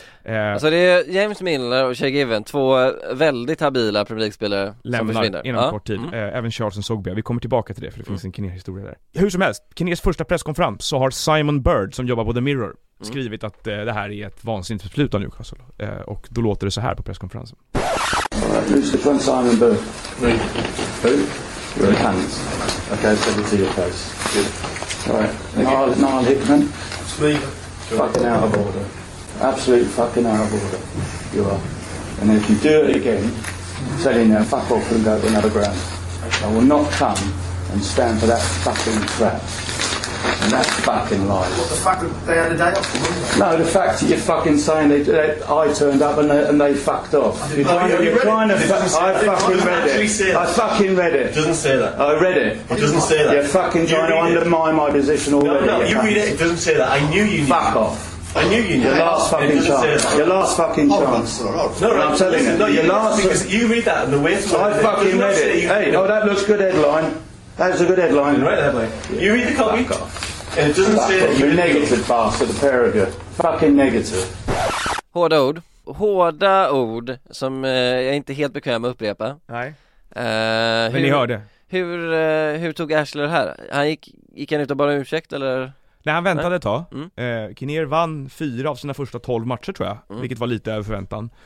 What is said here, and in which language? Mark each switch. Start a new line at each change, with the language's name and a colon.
Swedish: Alltså det är James Milner och Shay Given, två väldigt habila Premier League-spelare som försvinner. Lämnar inom kort tid. Även Charles Nzogbia. Vi kommer tillbaka till det för det finns en Kinnear-historia där. Hur som helst, Kinnears första presskonferens så har Simon Bird som jobbar på The Mirror skrivit att det här är ett vansinnigt beslut av Newcastle. Och då låter det så här på presskonferensen.
English: Lucifer och Simon Bird. Who? Who? Okay, so we'll see your face. Yeah. All right. Okay. Niall Hickman. It's me. Fucking out of order. Absolute fucking out of order. You are. And if you do it again, tell him now, fuck off and go to another ground. I will not come and stand for that fucking crap. And that's fucking lies. What the fuck, they had a day off? No, the fact that you're fucking saying I turned up and they fucked off. I fucking read it. It doesn't say that. I read it. It doesn't say that. You're fucking trying to undermine my position already. No, you read it. It doesn't say that. I knew you knew. Fuck off. I knew you knew. Your last fucking chance. Your last fucking chance. No, right. I'm telling you. No, your last. Because you read that in the way. I fucking read it. Hey, oh, that looks good headline. That's a good headline. Right, headline. You read the copy. Fuck off. And it doesn't say that. You're negative, bastard. A pair of you. Fucking negative.
Swedish: Hårda ord. Hårda ord som jag inte helt bekväm att upprepa. Nej. Men ni hörde. Hur tog Ashley det här? Han gick han ut och bara ursäkt eller... Nej, han väntade ett tag. Kinnear vann 4 av sina första 12 matcher, tror jag. Mm. Vilket var lite över förväntan.